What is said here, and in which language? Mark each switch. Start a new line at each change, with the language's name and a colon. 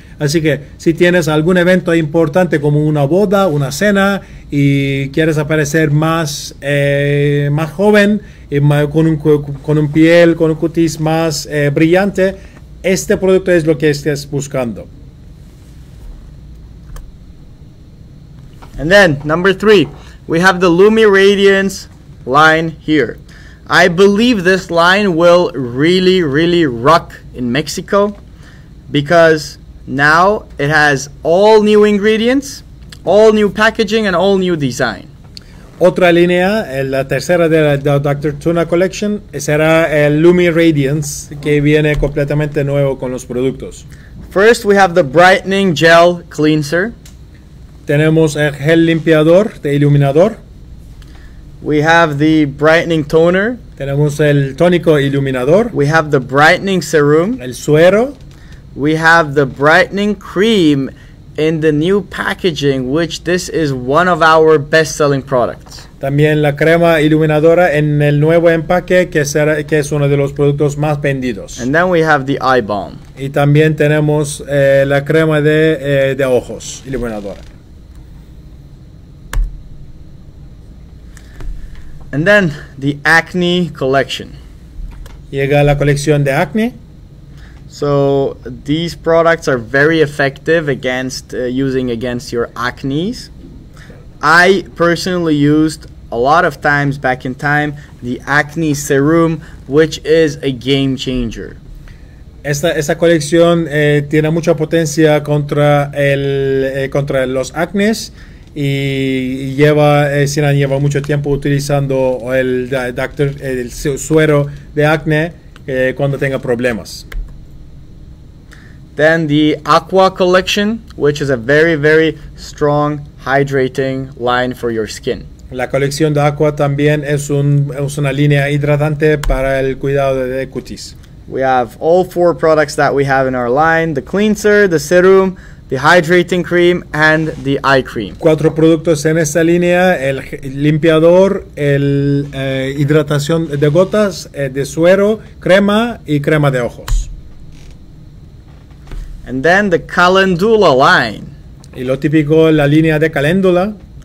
Spanish: Así que si tienes algún evento importante como una boda, una cena, y quieres aparecer más joven, y más, con un piel, con un cutis más brillante, este producto es lo que estás buscando.
English: And then, number three, we have the Lumi Radiance line here. I believe this line will really, really rock in Mexico because now it has all new ingredients, all new packaging, and all new design.
Spanish: Otra línea, la tercera de la Dr. Tuna Collection, será el Lumi Radiance, que viene completamente nuevo con los productos.
English: First, we have the Brightening Gel Cleanser.
Spanish: Tenemos el gel limpiador de iluminador.
English: We have the brightening toner.
Spanish: Tenemos el tónico iluminador.
English: We have the brightening serum.
Spanish: El suero.
English: We have the brightening cream in the new packaging, which this is one of our best-selling products.
Spanish: También la crema iluminadora en el nuevo empaque, que es uno de los productos más vendidos.
English: And then we have the eye balm.
Spanish: Y también tenemos la crema de ojos iluminadora.
English: And then the acne collection.
Spanish: Llega la colección de acne.
English: So these products are very effective against using against your acne. I personally used a lot of times back in time the acne serum, which is a game changer.
Spanish: Esta colección tiene mucha potencia contra los acnes. Y lleva, Sinan lleva mucho tiempo utilizando el suero de acné cuando tenga problemas.
English: Then the Aqua Collection, which is a very, very strong hydrating line for your skin.
Spanish: La colección de Aqua también es una línea hidratante para el cuidado de cutis.
English: We have all four products that we have in our line, the cleanser, the serum, the hydrating cream, and the eye cream.
Spanish: Cuatro productos en esta línea, el limpiador, el hidratación de gotas, de suero, crema, y crema de ojos.
English: And then the calendula line.
Spanish: Y lo típico, la línea de caléndula.